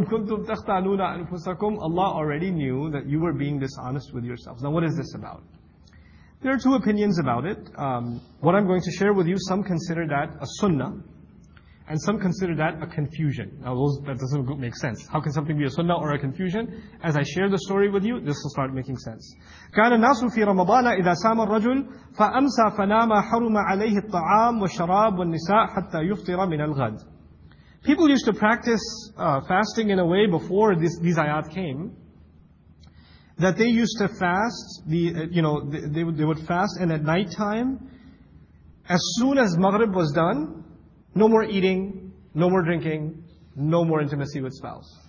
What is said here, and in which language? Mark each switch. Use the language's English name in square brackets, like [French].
[English] Okay. Allah already knew that you were being dishonest with yourselves. Now, what is this about? There are two opinions about it. What I'm going to share with you, some consider that a sunnah, and some consider that a confusion. Now that doesn't make sense. How can something be a sunnah or a confusion? As I share the story with you, this will start making sense. [Arabic] كان الناس في رمضان إذا سام الرجل فأمسى فنام حرم عليه الطعام والشراب والنساء حتى يفطر من الغد. [English] People used to practice fasting in a way before these ayat came, that they used to fast. They would fast, and at night time, as soon as Maghrib was done, no more eating, no more drinking, no more intimacy with spouse.